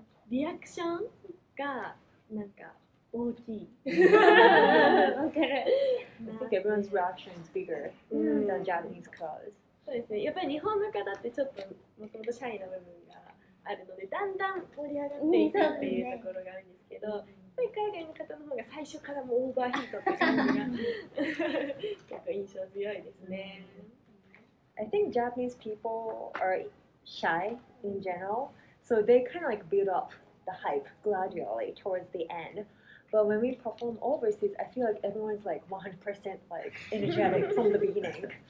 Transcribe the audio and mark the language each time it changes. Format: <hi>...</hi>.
<ja>リアクションがなんか大きい。わかる。</ja> <en>I think everyone's reaction is bigger than Japanese crowds.</en> <ja>そうですね、やっぱり日本の方ってちょっともともとシャイな部分があるので、だんだん盛り上がっていくっていうところがあるんですけど、やっぱり海外の方の方が最初からもうオーバーヒートって感じが結構印象強いですね。</ja> <en>I think Japanese people are shy in general, so they kind of like build up the hype gradually towards the end. But when we perform overseas, I feel like everyone's like 100% like energetic from the beginning.</en>